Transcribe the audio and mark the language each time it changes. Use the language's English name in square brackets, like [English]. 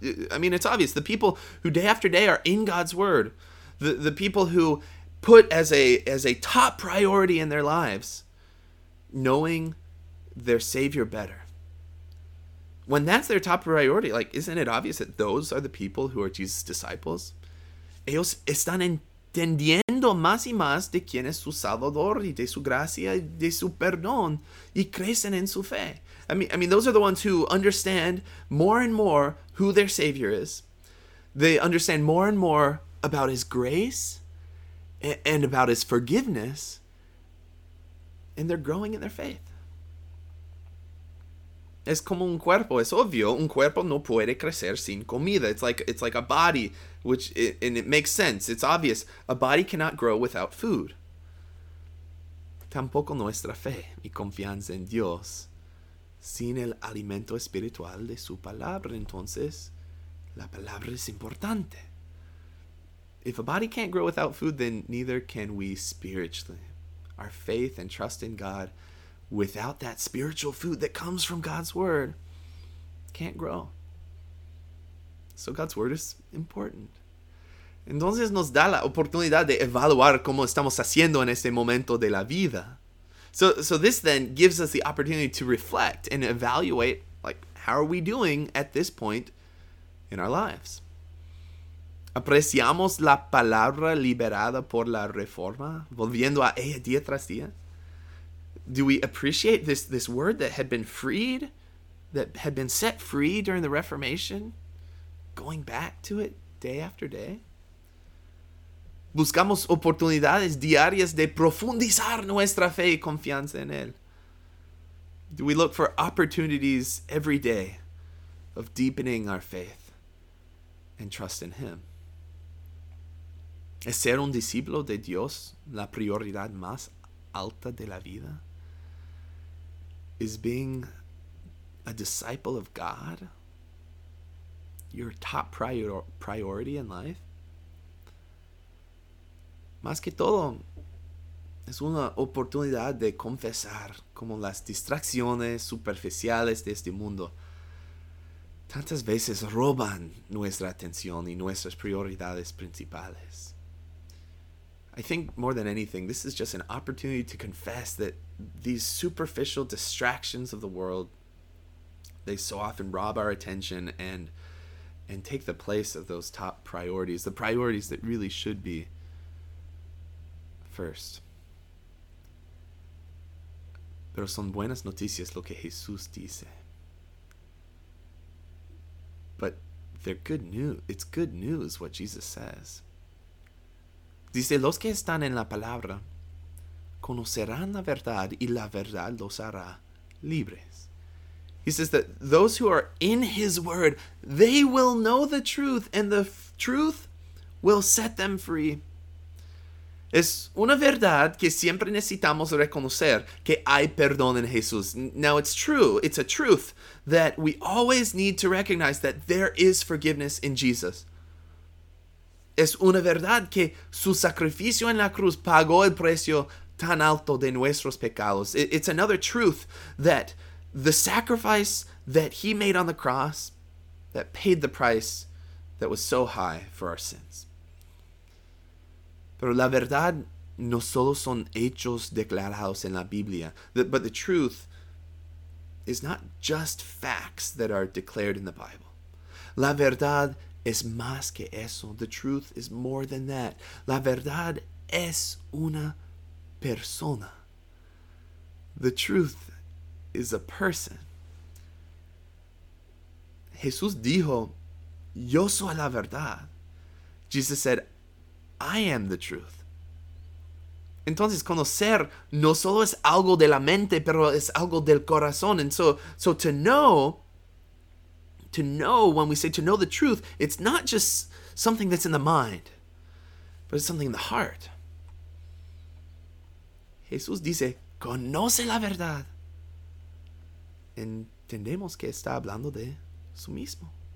[English] I mean, it's obvious. The people who day after day are in God's word, the people who put as a top priority in their lives knowing their Savior better. When that's their top priority, like, isn't it obvious that those are the people who are Jesus' disciples? [Spanish] Ellos están entendiendo más y más de quién es su Salvador y de su gracia y de su perdón y crecen en su fe. [English] I mean, those are the ones who understand more and more who their Savior is. They understand more and more about his grace and about his forgiveness, and they're growing in their faith. [Spanish] Es como un cuerpo, es obvio, un cuerpo no puede crecer sin comida. [English] It's like a body, which it makes sense, it's obvious. A body cannot grow without food. [Spanish] Tampoco nuestra fe y confianza en Dios sin el alimento espiritual de su palabra. Entonces, la palabra es importante. [English] If a body can't grow without food, then neither can we spiritually. Our faith and trust in God without that spiritual food that comes from God's word can't grow. So God's word is important. [Spanish] Entonces nos da la oportunidad de evaluar cómo estamos haciendo en este momento de la vida. [English] So this then gives us the opportunity to reflect and evaluate, like, how are we doing at this point in our lives? [Spanish] ¿Apreciamos la palabra liberada por la reforma, volviendo a ella día tras día? [English] Do we appreciate this word that had been freed, that had been set free during the Reformation, going back to it day after day? [Spanish] ¿Buscamos oportunidades diarias de profundizar nuestra fe y confianza en él? [English] Do we look for opportunities every day of deepening our faith and trust in him? [Spanish] ¿Es ser un discípulo de Dios la prioridad más alta de la vida? [English] Is being a disciple of God your top priority in life? [Spanish] Más que todo, es una oportunidad de confesar cómo las distracciones superficiales de este mundo tantas veces roban nuestra atención y nuestras prioridades principales. [English] I think more than anything, this is just an opportunity to confess that these superficial distractions of the world, they so often rob our attention and take the place of those top priorities, the priorities that really should be first. [Spanish] Pero son buenas noticias lo que Jesús dice. [English] But they're good news. It's good news what Jesus says. [Spanish] Dice, los que están en la palabra conocerán la verdad y la verdad los hará libres. [English] He says that those who are in his word, they will know the truth and the truth will set them free. [Spanish] Es una verdad que siempre necesitamos reconocer, que hay perdón en Jesús. [English] Now it's true, it's a truth that we always need to recognize that there is forgiveness in Jesus. [Spanish] Es una verdad que su sacrificio en la cruz pagó el precio tan alto de nuestros pecados. [English] It's another truth that the sacrifice that he made on the cross that paid the price that was so high for our sins. [Spanish] Pero la verdad no solo son hechos declarados en la Biblia, [English] but the truth is not just facts that are declared in the Bible. [Spanish] La verdad es más que eso. [English] The truth is more than that. [Spanish] La verdad es una persona. [English] The truth is a person. [Spanish] Jesús dijo, yo soy la verdad. [English] Jesus said, I am the truth. [Spanish] Entonces, conocer no solo es algo de la mente, pero es algo del corazón. [English] And so to know, when we say to know the truth, it's not just something that's in the mind, but it's something in the heart. [Spanish] Jesús dice, conoce la verdad. Entendemos que está hablando de su mismo.